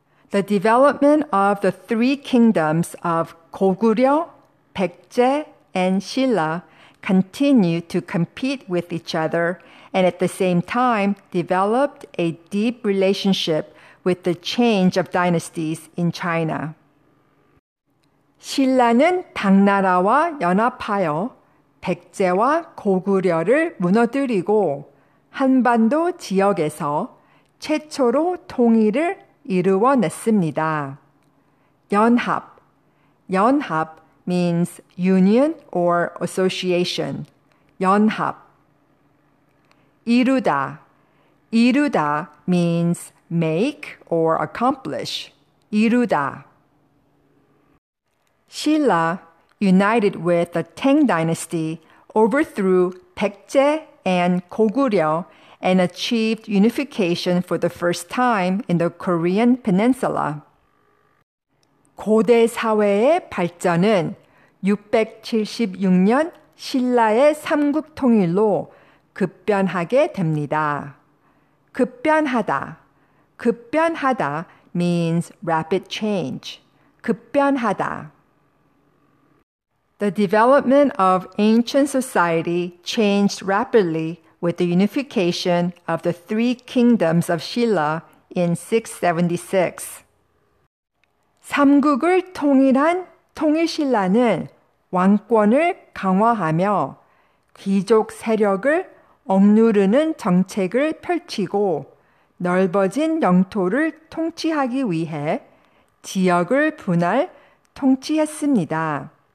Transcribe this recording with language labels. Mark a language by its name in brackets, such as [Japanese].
[English] The development of the three kingdoms of 고구려, 백제, and 신라 continued to compete with each other and at the same time developed a deep relationship with the change of dynasties in China. [Korean] 신라는 당나라와 연합하여 백제와 고구려를 무너뜨리고 한반도 지역에서 최초로 통일을 이루어냈습니다. [English] 연합. 연합 means union or association. 연합. 이루다. 이루다 means make or accomplish. 이루다. 신라, united with the Tang Dynasty, overthrew 백제 and 고구려 and achieved unification for the first time in the Korean Peninsula. [Korean] 고대 사회의 발전은 676년 신라의 삼국 통일로 급변하게 됩니다. [English] 급변하다. 급변하다 means rapid change. [Korean] 급변하다. [English] The development of ancient society changed rapidly with the unification of the three kingdoms of Silla in 676. [Korean] 삼국을 통일한 통일신라는 왕권을 강화하며 귀족 세력을 억누르는 정책을 펼치고 넓어진 영토를 통치하기 위해 지역을 분할 통치했습니다.